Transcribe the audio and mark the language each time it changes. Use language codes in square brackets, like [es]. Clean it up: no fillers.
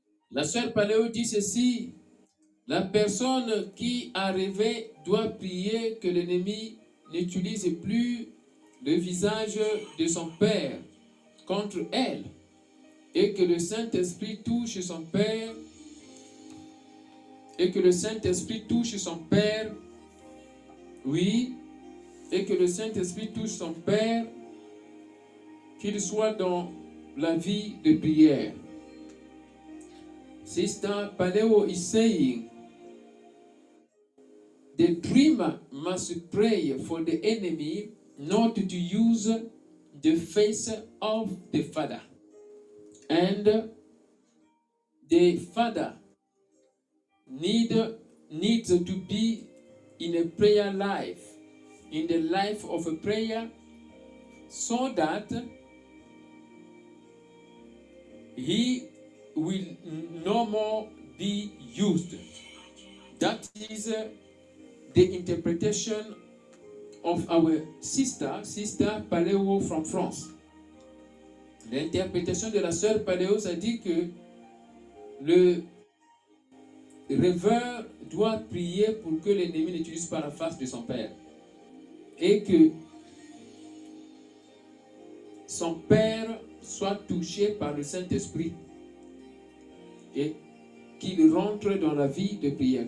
[fr] La sœur Paléo dit ceci, la personne qui a rêvé doit prier que l'ennemi n'utilise plus le visage de son père contre elle et que le Saint-Esprit touche son père qu'il soit dans la vie de prière. [en] Sister Paleo is saying, the dreamer must pray for the enemy not to use the face of the father. And the father needs to be in a prayer life, in the life of a prayer, so that he will no more be used. That is the interpretation of our sister Paléo from France. [fr] L'interprétation de la sœur Paléo, ça dit que le rêveur doit prier pour que l'ennemi n'utilise pas la face de son père. Et que son père soit touché par le Saint-Esprit et qu'il rentre dans la vie de prière.